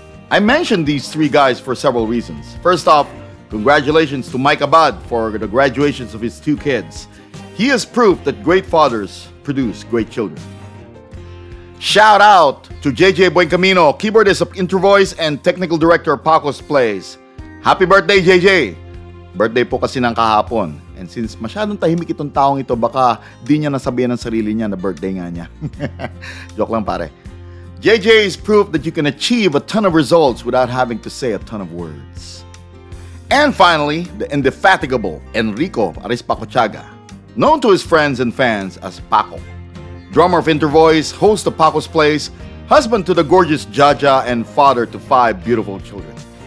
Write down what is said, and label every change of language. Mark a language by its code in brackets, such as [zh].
[en] I mentioned these three guys for several reasons. First off, congratulations to Mike Abad for the graduations of his two kids. He is proof that great fathers produce great children. Shout out to JJ Buencamino, keyboardist of Introvoice and technical director of Paco's Place. Happy birthday, [tl] JJ! Birthday po kasi ng kahapon. And since masyadong tahimik itong taong ito, baka di niya nasabihin ng sarili niya na birthday nga niya. Joke lang pare. [en] JJ is proof that you can achieve a ton of results without having to say a ton of words. And finally, the indefatigable Enrico Arespocochaga, known to his friends and fans as Paco. Drummer of Intervoice, host of Paco's Place, husband to the gorgeous Jaja, and father to five beautiful children.